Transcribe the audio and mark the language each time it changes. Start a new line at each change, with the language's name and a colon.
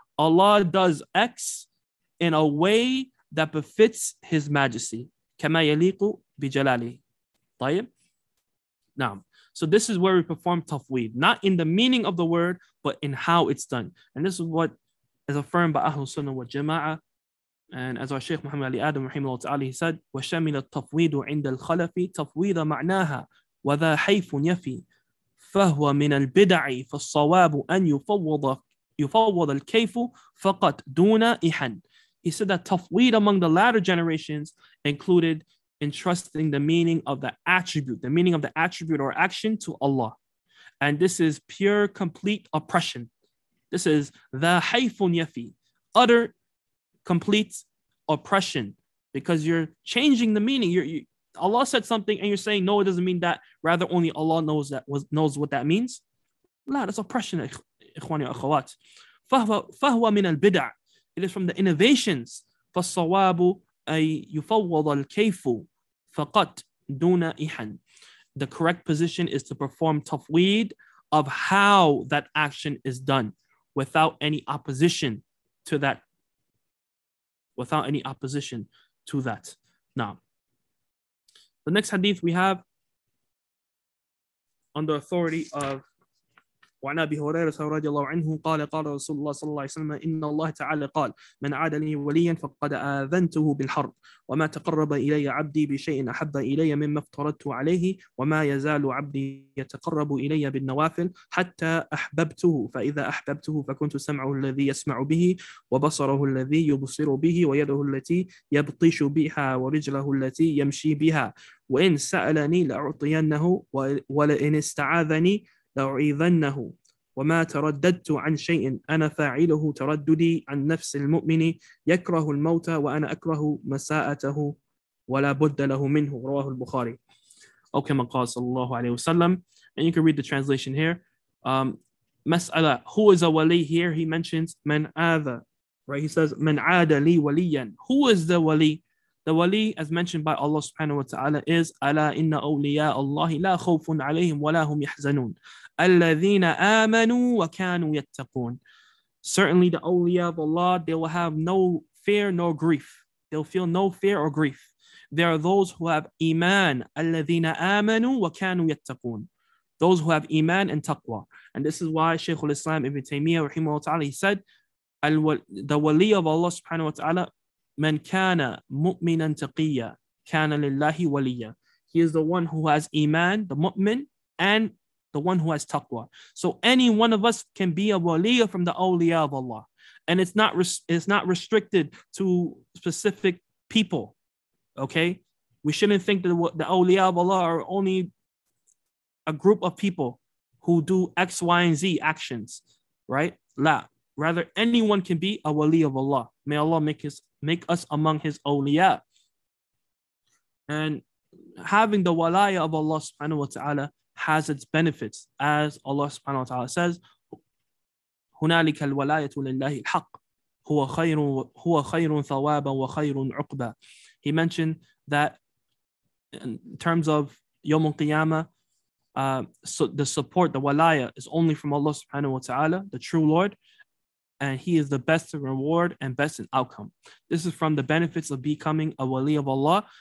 English: Allah does X in a way that befits his majesty.
Arabic: كما يليق بجلاله. طيب.
English: Now, so this is where we perform tafweed, not in the meaning of the word, but in how it's done. And this is what is affirmed by Ahlul Sunnah wa Jama'ah. And as our Shaykh Muhammad Ali Adam, rahimahullah ta'ala, he said,
Arabic: وَشَمِلَ التَّفْوِيدُ عِنْدَ الْخَلَفِ تَفْوِيدَ مَعْنَاهَا وَذَا حَيْفٌ يَفِي فَهُوَ مِنَ الْبِدَعِ فَالصَّوَابُ أَنْ يُفَوَّضَ الْكَيْفُ فَقَطْ دُونَ إِحَنْ.
English: He said that tafweed among the latter generations included entrusting the meaning of the attribute or action to Allah. And this is pure, complete oppression. This is the
Arabic: حَيْفٌ يَفِي,
English: utter, complete oppression, because you're changing the meaning. Allah said something and you're saying, no, it doesn't mean that. Rather, only Allah knows what that means. La, that's oppression, ikhwani wa akhawat.
Arabic: فَهُوَ مِنَ الْبِدَعِ.
English: It is from the innovations
Arabic: فالصواب أي يفوض الكيف فقط دون إحن.
English: The correct position is to perform tafweed of how that action is done without any opposition to that. Without any opposition to that. Now, the next hadith we have on the authority of
Arabic: وعن أبي هريرة رضي الله عنه قال قال رسول الله صلى الله عليه وسلم إن الله تعالى قال من عاد لي وليا فقد آذنته بالحرب وما تقرب إلي عبدي بشيء أحب إلي مما افترضت عليه وما يزال عبدي يتقرب إلي بالنوافل حتى أحببته فإذا أحببته فكنت سمعه الذي يسمع به وبصره الذي يبصر به ويده التي يبطش بها ورجله التي يمشي بها وإن سألني لأعطينه ولئن استعاذني لأعيذنه وما ترددت عن شيء أنا فاعله ترددي عن نفس المؤمن يكره الموت وأنا أكره مساءته ولا بد له منه رواه البخاري أو كما قال صلى الله عليه وسلم.
English: And you can read the translation here. مسألة who is a wali here, he mentions
Arabic: من عاد,
English: right? He says
Arabic: من عاد لي وليا.
English: Who is the wali? The wali, as mentioned by Allah subhanahu wa ta'ala, is
Arabic: أَلَا إِنَّ أَوْلِيَاءَ اللَّهِ لَا خَوْفٌ عَلَيْهِمْ وَلَا هُمْ يَحْزَنُونَ الَّذِينَ آمَنُوا وَكَانُوا يَتَّقُونَ.
English: Certainly the awliya of Allah, they will have no fear nor grief. They'll feel no fear or grief. They are those who have iman.
Arabic: الَّذِينَ آمَنُوا وَكَانُوا يَتَّقُونَ.
English: Those who have iman and taqwa. And this is why Shaykh al-Islam Ibn Taymiyyah rahimahu wa ta'ala, he said, the wali of Allah subhanahu wa ta'ala,
Arabic: من كان مؤمنا تقيا كان لله وليا.
English: He is the one who has iman, the mu'min, and the one who has taqwa. So any one of us can be a waliya from the awliya of Allah. And it's not restricted to specific people, okay? We shouldn't think that the awliya of Allah are only a group of people who do X, Y, and Z actions, right? La. Rather, anyone can be a wali of Allah. May Allah make us among his awliya. And having the walaya of Allah subhanahu wa ta'ala has its benefits. As Allah subhanahu wa ta'ala says,
Arabic: هُنَالِكَ الْوَلَايَةُ لِلَّهِ الْحَقِّ هُوَ خَيْرٌ ثَوَابًا وَخَيْرٌ عُقْبًا.
English: He mentioned that in terms of يوم القيامة, so the support, the walaya, is only from Allah subhanahu wa ta'ala, the true Lord. And he is the best in reward and best in outcome. This is from the benefits of becoming a wali of Allah.